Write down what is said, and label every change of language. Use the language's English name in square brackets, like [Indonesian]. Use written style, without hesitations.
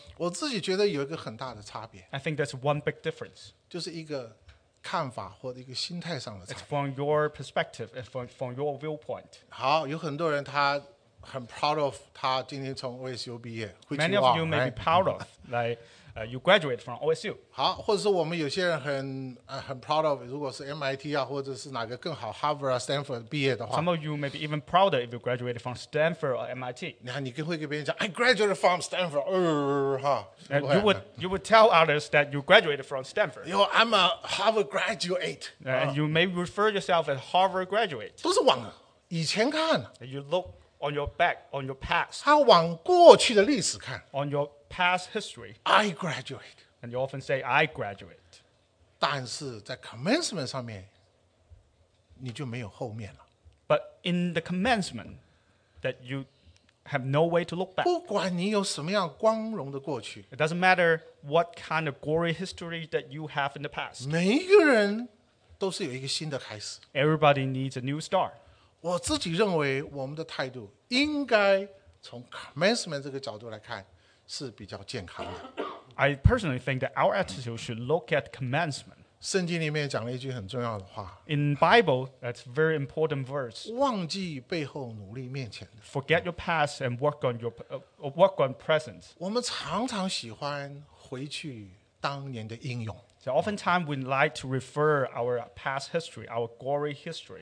[Chinese] 我自己觉得有一个很大的差别。 [English] I think that's one big difference. [Chinese] 就是一个看法或者一个心态上的差别。 [English] It's from your perspective, it's from your viewpoint. [Chinese] 好，有很多人他很 [English] proud of [Chinese] 他今天从 OSU 毕业 which [English] Many of you may be proud of like, you graduate from OSU [Chinese] 好或者是我们有些人 很 [English] proud of [Chinese] 如果是 MIT、啊、或者是哪个更好 Harvard 啊 Stanford 毕业的话 [English] Some of you may be even prouder if you graduated from Stanford or MIT [Chinese] 你更会跟别人讲 [English] I graduated from Stanford、 you would tell others that you graduated from Stanford Yo, I'm a Harvard graduate、 and you may refer yourself as Harvard graduate [Chinese] 都是往以前看 [English] You lookon your back, on your past. [Chinese] 他往过去的历史看。 [English] On your past history. I graduate. And you often say, I graduate. [Chinese] 但是在 commencement 上面你就没有后面了。 [English] But in the commencement that you have no way to look back. [Chinese] 不管你有什么样光荣的过去。 [English] It doesn't matter what kind of glory history that you have in the past. [Chinese] 每一个人都是有一个新的开始。 [English] Everybody needs a new start. [Chinese] 我自己认为我们的态度应该从 commencement 这个角度来看是比较健康的。 [English] I personally think that our attitude should look at commencement. [Chinese] 圣经里面讲了一句很重要的话。 [English] In Bible, that's a very important verse. [Chinese] 忘记背后努力面前的。 [English] Forget your past and work on present. [Chinese] 我们常常喜欢回去当年的英勇。 [English] So oftentimes we like to refer our past history, our glory history.